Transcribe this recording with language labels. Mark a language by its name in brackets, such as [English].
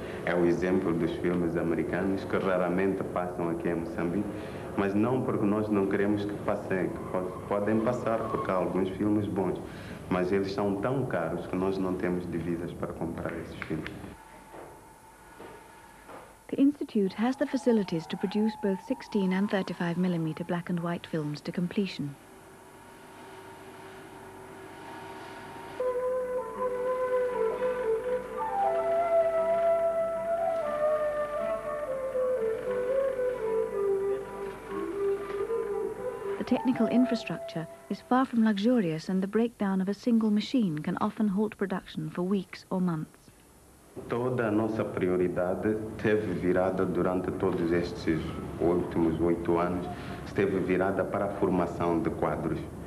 [Portuguese] É o exemplo dos filmes americanos que raramente passam aqui em Moçambique, mas não porque nós não queremos que passem, que podem passar, porque há alguns filmes bons, mas eles são tão caros que nós não temos divisas para comprar esses filmes. [English] The Institute has the facilities to produce both 16 and 35 millimeter black and white films to completion. The technical infrastructure is far from luxurious, and the breakdown of a single machine can often halt production for weeks or months. [Portuguese] toda a nossa prioridade teve virada durante todos estes últimos 8 anos, esteve virada para a formação de quadros.